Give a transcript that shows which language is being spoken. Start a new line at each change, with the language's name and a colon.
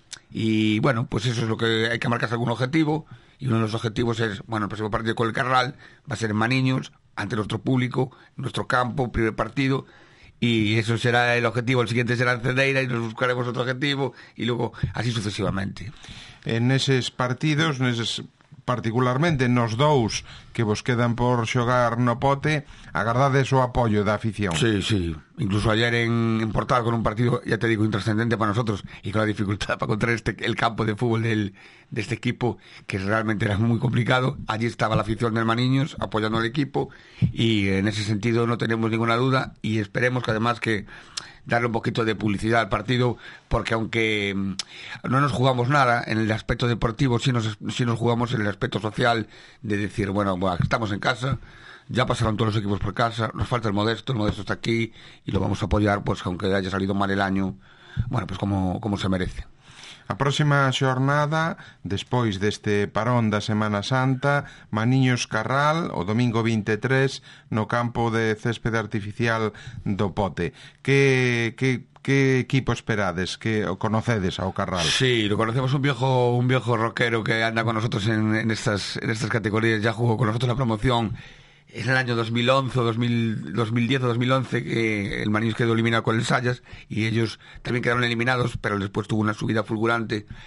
Spanish: Y bueno, pues eso es lo que hay que marcarse algún objetivo, y uno de los objetivos es, bueno, el próximo partido con el Carral va a ser en Maniños, ante nuestro público, nuestro campo, primer partido, y eso será el objetivo, el siguiente será en Cedeira y nos buscaremos otro objetivo, y luego así sucesivamente.
Galician: En esos partidos, particularmente nos dous que vos quedan por xogar no pote, agardades o apoio da afición.
Spanish: Sí, sí, incluso ayer en Portal, con un partido, ya te digo, intrascendente para nosotros y con la dificultad para encontrar el campo de fútbol de este equipo, que realmente era muy complicado, allí estaba la afición del Maniños apoyando al equipo, y en ese sentido no tenemos ninguna duda, y esperemos que además que darle un poquito de publicidad al partido, porque aunque no nos jugamos nada en el aspecto deportivo, sí nos jugamos en el aspecto social, de decir, bueno, estamos en casa, ya pasaron todos los equipos por casa, nos falta el Modesto está aquí y lo vamos a apoyar, pues aunque haya salido mal el año, bueno, pues como se merece.
Galician: A próxima xornada, despois deste parón da Semana Santa, Maniños Carral, o domingo 23, no campo de césped artificial do Pote. Que equipo esperades, que o conocedes ao Carral?
Spanish: Sí, lo conocemos, un viejo rockero que anda con nosotros en estas categorías, ya jugó con nosotros la promoción en el año 2011, 2010 o 2011, que el Maniños quedó eliminado con el Sayas y ellos también quedaron eliminados, pero después tuvo una subida fulgurante.